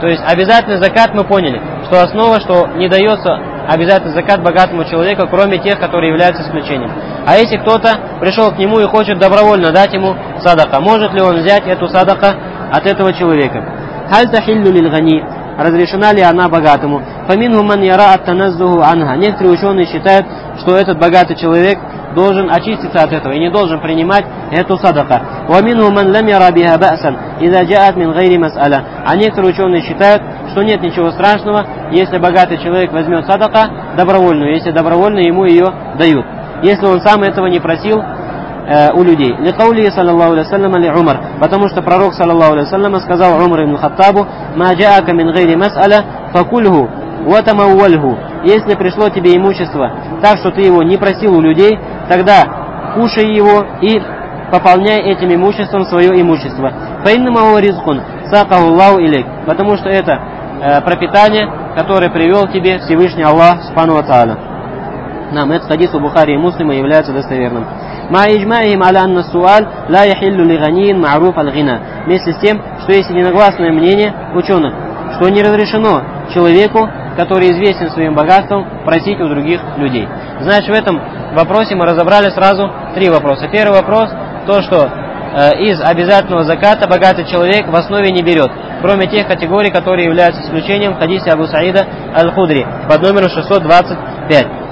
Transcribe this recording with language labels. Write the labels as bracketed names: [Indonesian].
[Russian] То есть обязательный закат, мы поняли, что основа, что не дается обязательный закат богатому человеку, кроме тех, которые являются исключением. А если кто-то пришел к нему и хочет добровольно дать ему садака, может ли он взять эту садака от этого человека? [Arabic] هل تحل للغني. [Russian] Разрешена ли она богатому? [Arabic] فمنهم من يرى التنزه عنها. [Russian] Некоторые ученые считают, что этот богатый человек должен очиститься от этого и не должен принимать эту садака. [Arabic] ومنهم من لم يرى بها بأسا إذا جاءت من غير مسألة. [Russian] А некоторые ученые считают, что нет ничего страшного, если богатый человек возьмет садака добровольную, если добровольно ему ее дают, если он сам этого не просил у людей. [Arabic] لقوله صلى الله عليه وسلم لعمر. [Russian] Потому что пророк [Arabic] صلى الله عليه وسلم [Russian] сказал [Arabic] عمر ибн Хаттабу: ما جاءك من غير مسألة فكله وتموله. [Russian] Если пришло тебе имущество так, что ты его не просил у людей, тогда кушай его и пополняй этим имуществом свое имущество. [Arabic] فإنما هو رزق ساقه الله إليك. [Russian] Потому что это пропитание, которое привел тебе Всевышний Аллах субхана ва тааля. Нам этот хадис у Бухари и Муслима является достоверным. [Arabic] مع إجماعهم على أن السؤال لا يحل لغني معروف الغنى. [Russian] Вместе с тем, что есть единогласное мнение ученых, что не разрешено человеку, который известен своим богатством, просить у других людей. Значит, в этом вопросе мы разобрали сразу три вопроса. Первый вопрос, то, что из обязательного заката богатый человек в основе не берет, кроме тех категорий, которые являются исключением в хадисе Абу Саида Аль-Худри под номером 625.